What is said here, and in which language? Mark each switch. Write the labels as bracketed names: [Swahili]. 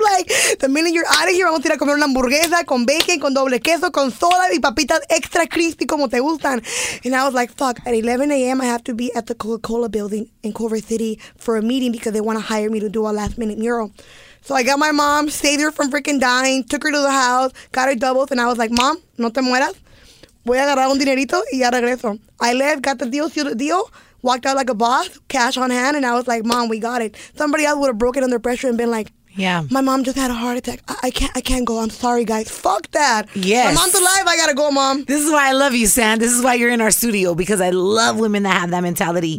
[English] Like, the minute you're out of here, [Spanish] vamos a ir a comer una hamburguesa con bacon, con doble queso, con soda y papitas extra crispy como te gustan. [English] And I was like, fuck, at 11 a.m., I have to be at the Coca-Cola building in Culver City for a meeting because they want to hire me to do a last-minute mural. So I got my mom, saved her from freaking dying, took her to the house, got her doubles. And I was like, Mom, [Spanish] no te mueras. Voy a agarrar un dinerito y ya regreso. [English] I left, got the deal, sealed the deal, walked out like a boss, cash on hand, and I was like, Mom, we got it. Somebody else would have broken under pressure and been like, yeah, my mom just had a heart attack. I can't go. I'm sorry, guys. Fuck that. Yes. My mom's alive. I got to go, Mom. This is why I love you, Sam. This is why you're in our studio, because I love women that have that mentality.